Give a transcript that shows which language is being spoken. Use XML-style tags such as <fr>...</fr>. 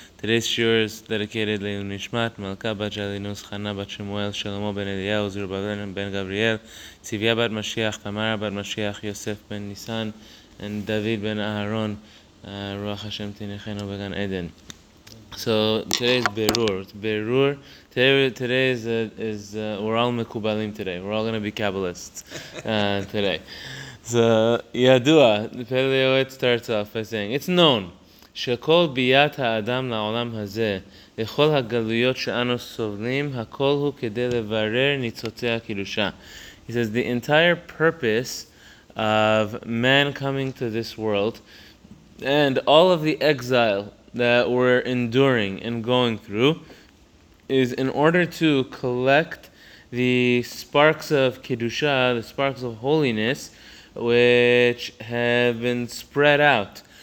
<en>Today's shiur is dedicated to Nishmat, Malka bat Jalinus, Chana bat Shemuel, Shlomo ben Eliyahu, Zerubbabel ben Gabriel, Tzivya bat Mashiach, Tamara bat Mashiach, Yosef ben Nisan, and David ben Aharon, Ruach Hashem Tinechenu began Eden. So today is Berur. We're all Mekubalim today. We're all going to be Kabbalists today. So Yadua, the Pele Yoetz starts off by saying, it's known.</en> <he>שכל ביאת האדם לעולם הזה, לכל הגלויות שאנו סובלים, הכל הוא כדי לברר ניצוצי הקדושה.</he> <en>He says, the entire purpose of man coming to this world and all of the exile that we're enduring and going through is in order to collect the sparks of kedusha, the sparks of holiness, which have been spread out.</en>